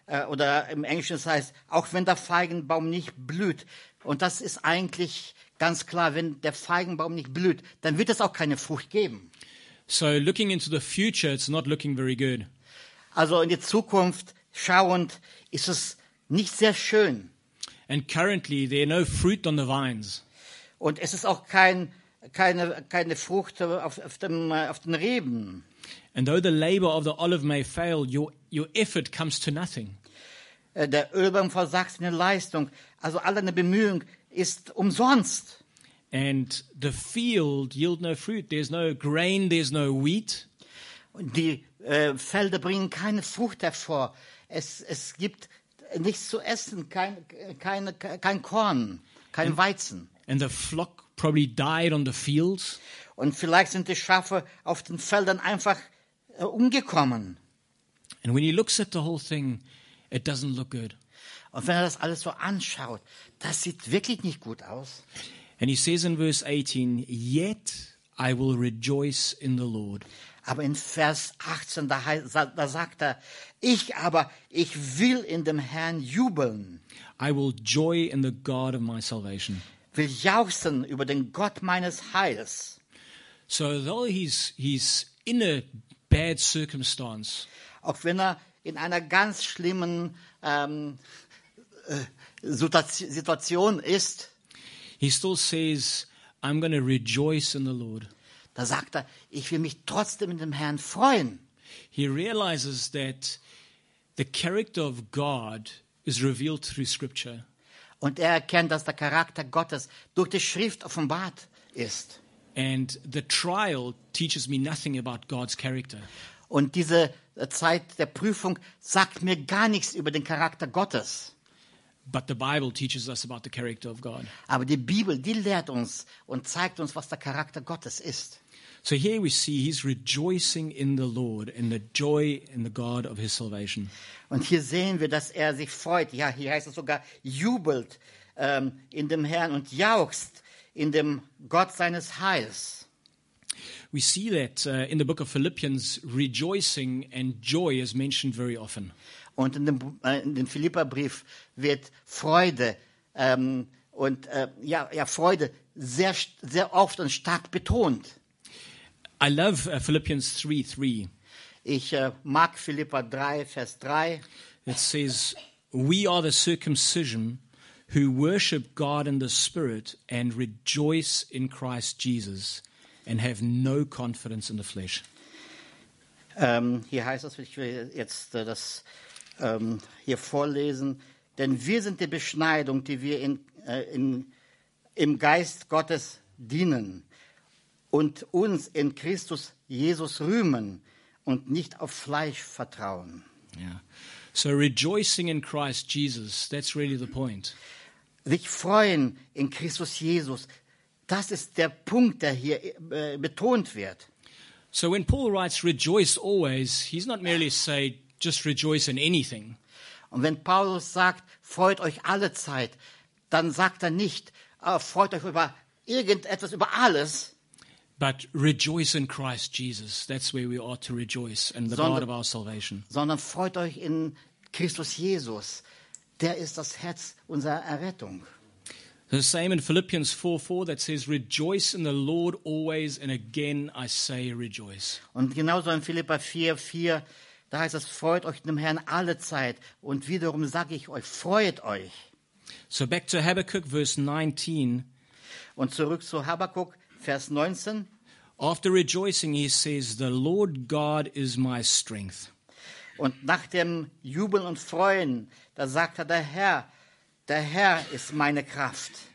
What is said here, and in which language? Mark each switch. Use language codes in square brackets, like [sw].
[de] Oder im Englischen es heißt, auch wenn der Feigenbaum nicht blüht. Und das ist eigentlich ganz klar, wenn der Feigenbaum nicht blüht, dann wird es auch keine Frucht geben. [en] So looking into the future, it's not looking very good. [de] Also in die Zukunft schauend, ist es nicht sehr schön. [en] And currently, there are no fruit on the vines. [de] Und es ist auch keine Frucht auf den Reben. [en] And though the labor of the olive may fail, your effort comes to nothing. [de] Der Ölbaum versagt seine Leistung. Also all deine Bemühung ist umsonst. [en] And the field yield no fruit. There's no grain, there's no wheat. [de] Die Felder bringen keine Frucht hervor. Es gibt nichts zu essen, kein Korn, kein Weizen. [en] And the flock probably died on the fields. [de] Und vielleicht sind die Schafe auf den Feldern einfach umgekommen. [en] And when he looks at the whole thing, it doesn't look good. [de] Und wenn er das alles so anschaut, das sieht wirklich nicht gut aus. [en] And he says in verse 18, yet I will rejoice in the Lord. [de] Aber in Vers 18, da sagt er, ich will in dem Herrn jubeln. [en] I will joy in the God of my salvation. [de] Will jauchzen über den Gott meines Heils. [en] So though he's in a bad circumstance. [de] Auch wenn er in einer ganz schlimmen Situation ist. [en] He still says, I'm going to rejoice in the Lord. [de] Da sagt er, ich will mich trotzdem in dem Herrn freuen. [en] He realizes that the character of God is revealed through scripture. [de] Und er erkennt, dass der Charakter Gottes durch die Schrift offenbart ist. [en] And the trial teaches me nothing about God's character. [de] Und diese Zeit der Prüfung sagt mir gar nichts über den Charakter Gottes. [en] But the Bible teaches us about the character of God. [de] Aber die Bibel, die lehrt uns und zeigt uns, was der Charakter Gottes ist. [en] So here we see he's rejoicing in the Lord and the joy in the God of his salvation. [de] Und hier sehen wir, dass er sich freut. Ja, hier heißt es sogar jubelt in dem Herrn und jauchzt in dem Gott seines Heils. [en] We see that in the book of Philippians rejoicing and joy is mentioned very often. [de] Und in dem Philipperbrief wird Freude Freude sehr sehr oft und stark betont. [en] I love Philippians 3:3. [de] Ich mag Philipper 3 Vers 3. [en] It says, "We are the circumcision who worship God in the Spirit and rejoice in Christ Jesus and have no confidence in the flesh. [de] Hier heißt es, ich will jetzt das hier vorlesen, denn wir sind die Beschneidung, die wir im Geist Gottes dienen und uns in Christus Jesus rühmen und nicht auf Fleisch vertrauen. Yeah. [en] So rejoicing in Christ Jesus, that's really the point. [de] Sich freuen in Christus Jesus, das ist der Punkt, der hier betont wird. [en] So when Paul writes rejoice always, he's not merely saying just rejoice in anything. [de] Und wenn Paulus sagt, freut euch alle Zeit, dann sagt er nicht, freut euch über irgendetwas, über alles. [en] But rejoice in Christ Jesus. That's where we ought to rejoice in the God of our salvation. [de] Sondern freut euch in Christus Jesus. Der ist das Herz unserer Errettung. [en] The same in Philippians 4:4 that says, rejoice in the Lord always, and again I say rejoice. [de] Und genauso in Philippa 4:4, da heißt es, freut euch in dem Herrn alle Zeit. Und wiederum sage ich euch, freut euch. [en] So back to Habakkuk, verse 19. [de] Und zurück zu Habakkuk, Vers 19. [en] After rejoicing, he says, the Lord God is my strength. [de] Und nach dem Jubeln und Freuen, da sagt er, der Herr ist meine Kraft.